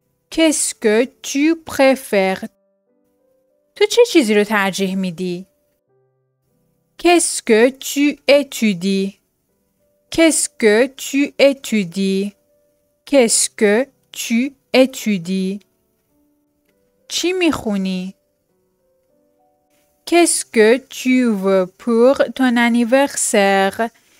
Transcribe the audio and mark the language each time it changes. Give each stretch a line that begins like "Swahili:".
French: Qu'est-ce que tu préfères?
Persian: تو چه چیزی رو ترجیح میدی؟
French: Qu'est-ce que tu étudies?
Persian: چی میخونی؟
French: Qu'est-ce que tu veux pour ton anniversaire?